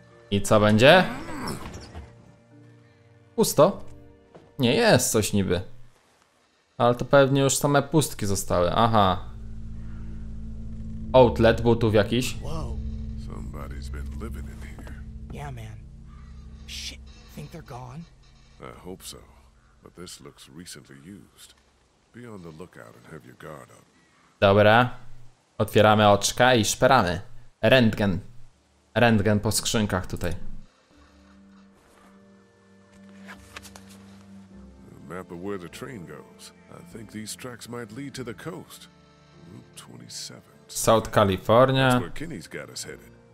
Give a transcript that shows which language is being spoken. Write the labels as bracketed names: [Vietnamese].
[Polish] I co będzie? Pusto? Nie, jest coś niby. Ale to pewnie już same pustki zostały. Aha. Outlet butów jakiś. Wow. [English] Somebody's been living in here. Yeah, man. Shit. Think they're gone? I hope so. But this looks recently used. Be on the lookout and have your guard up. [Polish] Dobra. Otwieramy oczka i szperamy. Rentgen. Rentgen po skrzynkach tutaj. [English] Map of where the train goes. I think these tracks might lead to the coast. Route 27. South California. That's where Kenny's got us headed.